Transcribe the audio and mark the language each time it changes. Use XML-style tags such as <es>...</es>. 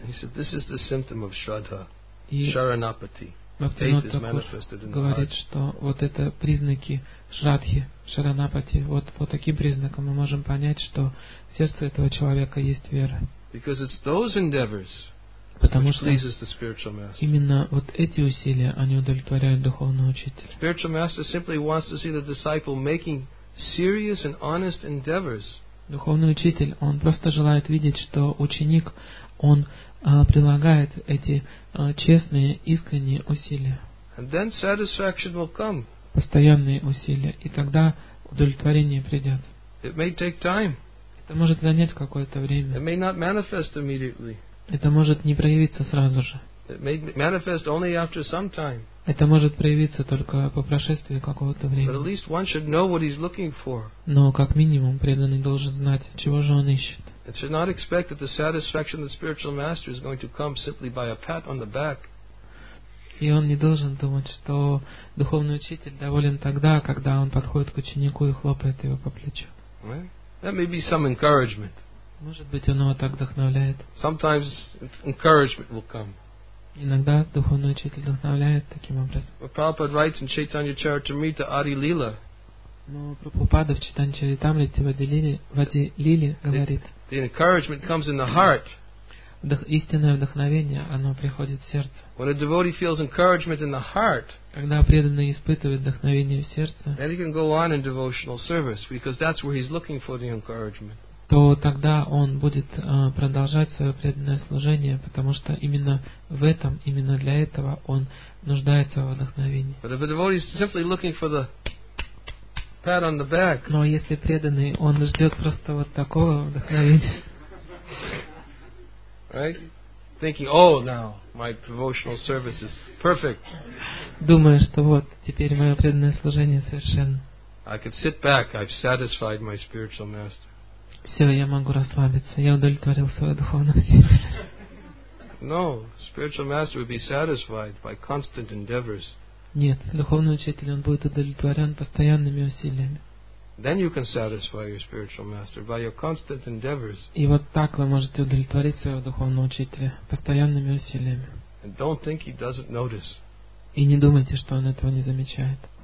<en>He said, this is the symptom of Shraddha, Sharanapati.</en> <ru>Бхактинот Такур говорит, что вот это признаки Шрадхи, Шаранапати. Вот по таким признакам мы можем понять, что в сердце этого человека есть вера.</ru> <en>Because it's those endeavors,</en> <ru>потому</ru> <en>which</en> <ru>что</ru> <en>pleases the spiritual master.</en> <ru>Именно вот эти усилия, они удовлетворяют духовного учителя.</ru> <en>Spiritual master simply wants to see the disciple making serious and honest endeavors.</en> <ru>Духовный учитель, он просто желает видеть, что ученик, он прилагает эти честные, искренние усилия.</ru> <en>And then satisfaction will come.</en> <ru>Постоянные усилия. И тогда удовлетворение придет.</ru> <en>It may take time.</en> <ru>Это может занять какое-то время.</ru> <en>It may not manifest immediately.</en> <ru>Это может не проявиться сразу же.</ru> <en>It may manifest only after some time.</en> <ru>Это может проявиться только по прошествии какого-то времени.</ru> <en>But at least one should know what he's looking for.</en> <ru>Но как минимум преданный должен знать, чего же он ищет.</ru> <en>It should not expect that the satisfaction of the spiritual master is going to come simply by a pat on the back.</en> <ru>И он не должен думать, что духовный учитель доволен тогда, когда он подходит к ученику и хлопает его по плечу.</ru> <en>Right? That may be some encouragement.</en> <ru>Может быть, он его так вдохновляет.</ru> <en>Sometimes encouragement will come.</en> <ru>Иногда духовный учитель вдохновляет таким образом.</ru> <en>But Prabhupada writes in Chaitanya Charitamrita Adi Lila.</en> <ru>Но Прабхупада в Чайтанья Чаритамрите в Ади Лиле говорит.</ru> <en>The encouragement comes in the heart.</en> <ru>Истинное вдохновение, оно приходит в сердце.</ru> <en>When a devotee feels encouragement in the heart,</en> <ru>когда преданный испытывает вдохновение в сердце,</ru> <en>then he can go on in devotional service because that's where he's looking for the encouragement.</en> <ru>То тогда он будет продолжать свое преданное служение, потому что именно в этом, именно для этого он нуждается в вдохновении.</ru> <en>But if a devotee is simply looking for the pat on the back,</en> <ru>но если преданный, он ждет просто вот такого вдохновения.</ru> <en>Right? Thinking, oh, now my devotional service is perfect.</en> <ru>Думая, что вот теперь мое преданное служение совершенно.</ru> <en>I could sit back. I've satisfied my spiritual master.</en> <ru>Все, я могу расслабиться. Я удовлетворил свою духовную жизнь.</ru> <en>No, spiritual master would be satisfied by constant endeavors.</en> <ru>Нет, духовный учитель, он будет удовлетворен постоянными усилиями.</ru> <en>Then you can satisfy your spiritual master by your constant endeavors.</en> <ru>И вот так вы можете удовлетворить своего духовного учителя постоянными усилиями.</ru> <en>And don't think he doesn't notice.</en> <ru>И не думайте, что он этого не замечает.</ru>